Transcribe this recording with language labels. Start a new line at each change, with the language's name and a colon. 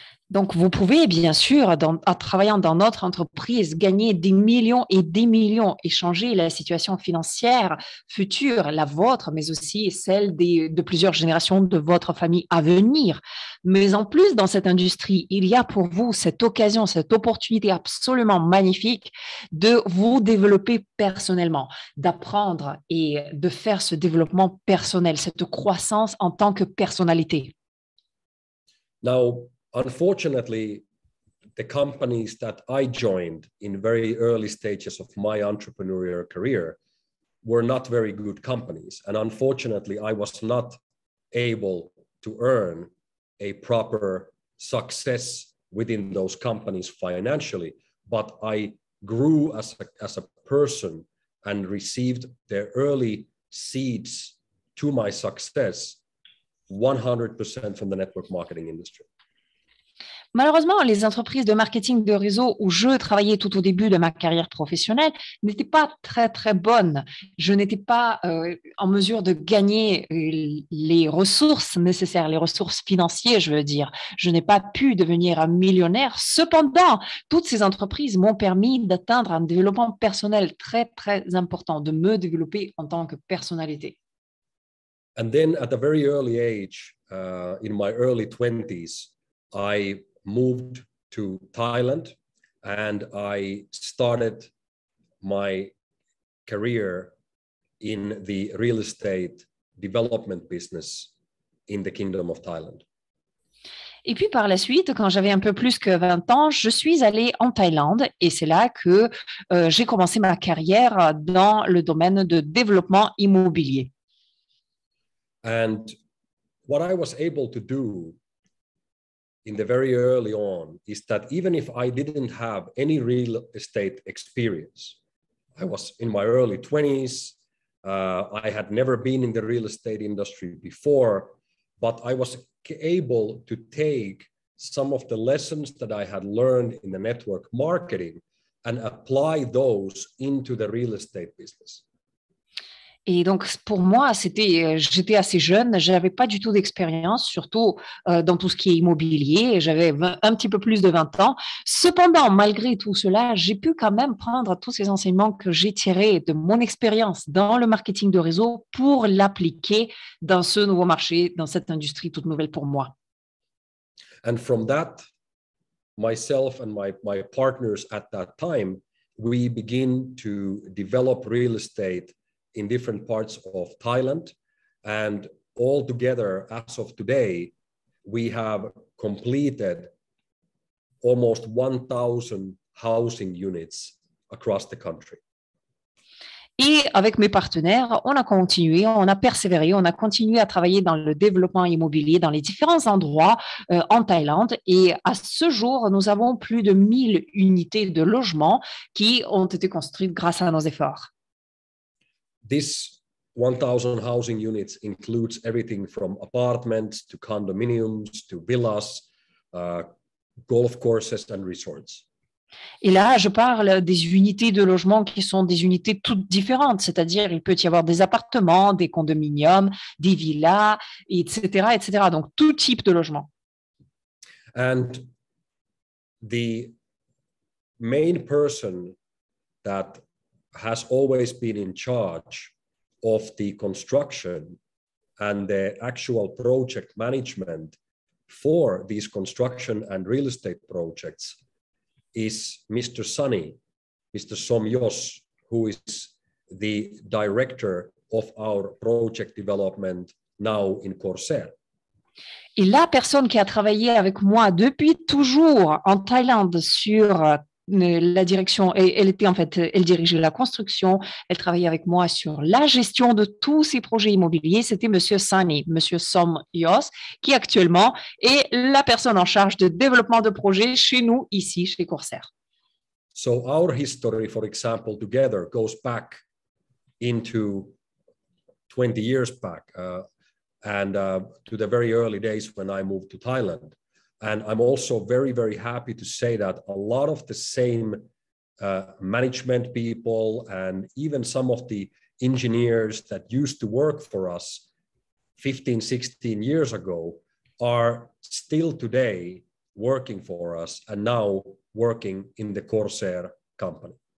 French: Donc, vous pouvez, bien sûr, en travaillant dans notre entreprise, gagner des millions et des millions et changer la situation financière future, la vôtre, mais aussi celle de plusieurs générations de votre famille à venir. Mais en plus, dans cette industrie, il y a pour vous cette occasion, cette opportunité absolument magnifique de vous développer personnellement, d'apprendre et de faire ce développement personnel, cette croissance en tant que personnalité.
English: Now, unfortunately, the companies that I joined in very early stages of my entrepreneurial career were not very good companies. And unfortunately, I was not able to earn a proper success within those companies financially. But I grew as a person and received the early seeds to my success 100% from the network marketing industry.
French: Malheureusement, les entreprises de marketing de réseau où je travaillais tout au début de ma carrière professionnelle n'étaient pas très, très bonnes. Je n'étais pas en mesure de gagner les ressources nécessaires, les ressources financières, je veux dire. Je n'ai pas pu devenir un millionnaire. Cependant, toutes ces entreprises m'ont permis d'atteindre un développement personnel très, très important, de me développer en tant que personnalité.
English: And then at a very early age, in my early 20s, I moved to Thailand and I started my career in the real estate development business in the Kingdom of Thailand.
French: Et puis par la suite, quand j'avais un peu plus que 20 ans, je suis allée en Thaïlande et c'est là que j'ai commencé ma carrière dans le domaine de développement immobilier.
English: And what I was able to do in the very early on is that even if I didn't have any real estate experience, I was in my early 20s, I had never been in the real estate industry before, but I was able to take some of the lessons that I had learned in the network marketing and apply those into the real estate business.
French: Et donc, pour moi, j'étais assez jeune, je n'avais pas du tout d'expérience, surtout dans tout ce qui est immobilier, j'avais un petit peu plus de 20 ans. Cependant, malgré tout cela, j'ai pu quand même prendre tous ces enseignements que j'ai tirés de mon expérience dans le marketing de réseau pour l'appliquer dans ce nouveau marché, dans cette industrie toute nouvelle pour moi.
English: And from that, myself and my partners at that time, we begin to develop real estate in different parts of Thailand, and all together, as of today, we have completed almost 1,000 housing units across the country.
French: Et avec mes partenaires, on a continué, on a persévéré, on a continué à travailler dans le développement immobilier dans les différents endroits en Thaïlande. Et à ce jour, nous avons plus de 1000 unités de logement qui ont été construites grâce à nos efforts.
English: This 1,000 housing units includes everything from apartments to condominiums to villas, golf courses and resorts.
French: Et là, je parle des unités de logement qui sont des unités toutes différentes, c'est-à-dire il peut y avoir des appartements, des condominiums, des villas, etc., etc. Donc tout type de logement.
English: And the main person that has always been in charge of the construction and the actual project management for these construction and real estate projects is Mr. Sunny, Mr. Som Yos, who is the director of our project development now in Corsair.
French: Et la personne qui a travaillé avec moi depuis toujours en Thaïlande sur la direction, elle était en fait, elle dirigeait la construction, elle travaillait avec moi sur la gestion de tous ces projets immobiliers, c'était Monsieur Sani, Monsieur Som Yos, qui actuellement est la personne en charge de développement de projets chez nous, ici, chez Corsair.
English: So our history, for example, together goes back into 20 years back, and to the very early days when I moved to Thailand. And I'm also very, very happy to say that a lot of the same management people and even some of the engineers that used to work for us 15, 16 years ago are still today working for us and now working in the Corsair company.